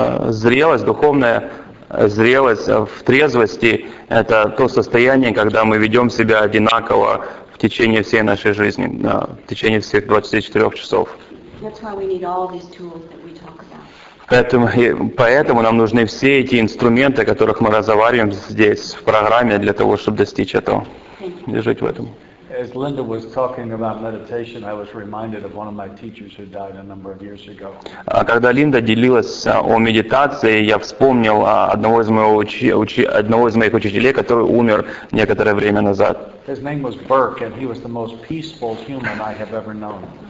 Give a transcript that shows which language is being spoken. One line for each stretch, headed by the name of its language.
Russian: Зрелость, духовная зрелость в трезвости – это то состояние, когда мы ведем себя одинаково в течение всей нашей жизни, в течение всех 24 часов.
English: That's why we need all these tools that we talk about.
Russian: Поэтому нам нужны все эти инструменты, о которых мы разговариваем здесь, в программе, для того, чтобы достичь этого. И жить в этом.
English: As Linda was talking about meditation, I was reminded of one of my teachers who died a number of years ago.
Russian: Когда Линда делилась о медитации, я вспомнил одного из моих учителей, который умер некоторое время назад.
English: His name was Burke, and he was the most peaceful human I have ever known.